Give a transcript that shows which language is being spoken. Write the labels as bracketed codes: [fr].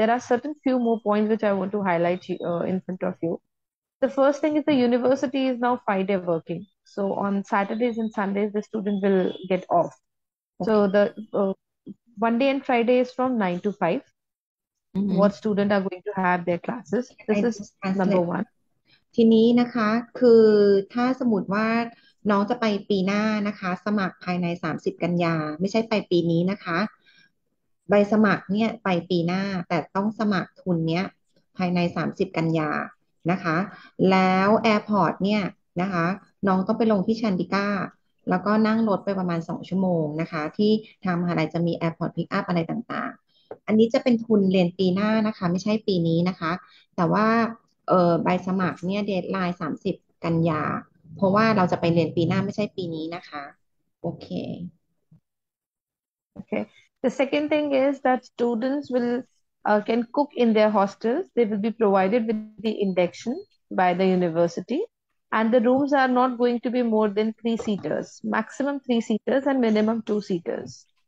[en] There are certain few more points which I want to highlight in front of you. The first thing is the university is now 5 day working. So on Saturdays and Sundays, the student will get off. Okay. So the Monday and Friday is from 9 to 5. Mm-hmm. What student are going to have their classes? This is number one. [th] ทีนี้นะคะคือถ้าสมมติว่าน้องจะไปปีหน้านะคะสมัครภายใน30กันยาไม่ใช่ไปปีนี้นะคะใบสมัครเนี่ยไปปีหน้าแต่ต้องสมัครทุนเนี้ยภายใน30กันยา นะคะแล้วแอร์พอร์ตเนี่ยนะคะน้องต้องไปลงที่ชันดิก้าแล้วก็นั่งรถไปประมาณ2ชั่วโมงนะคะที่ทางมหาลัยจะมีแอร์พอร์ตพิกอัพอะไรต่างๆอันนี้จะเป็นทุนเรียนปีหน้านะคะไม่ใช่ปีนี้นะคะแต่ว่าใบสมัครเนี่ยเดดไลน์30กันยาเพราะว่าเราจะไปเรียนปีหน้าไม่ใช่ปีนี้นะคะโอเค [en] โอเค The second thing is that students will can cook in their hostels. They will be provided with the induction by the university, and the rooms are not going to be more than three seaters, maximum three seaters and minimum two seaters.